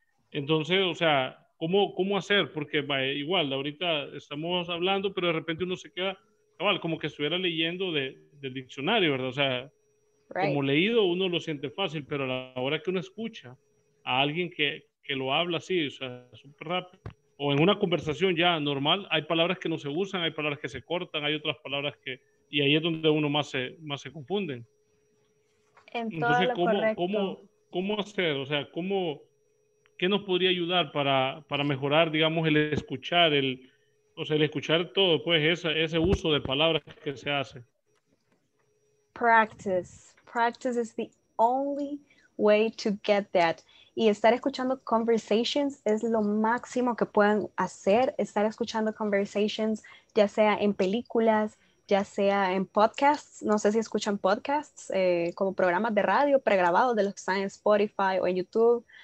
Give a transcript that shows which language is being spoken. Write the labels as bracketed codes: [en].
[es] Entonces, o sea, ¿Cómo hacer? Porque igual, ahorita estamos hablando, pero de repente uno se queda, cabal, como que estuviera leyendo del diccionario, ¿verdad? O sea, como leído uno lo siente fácil, pero a la hora que uno escucha a alguien que lo habla así, o sea, súper rápido, o en una conversación ya normal, hay palabras que no se usan, hay palabras que se cortan, hay otras palabras que, y ahí es donde uno más se confunde. Entonces, ¿cómo hacer? O sea, ¿cómo... ¿Qué nos podría ayudar para mejorar, digamos, el escuchar todo, pues, ese uso de palabras que se hace? [en] Practice is the only way to get that. [es] Y estar escuchando conversations es lo máximo que pueden hacer. Estar escuchando conversations, ya sea en películas, ya sea en podcasts. No sé si escuchan podcasts como programas de radio pregrabados de los que están en Spotify o en YouTube.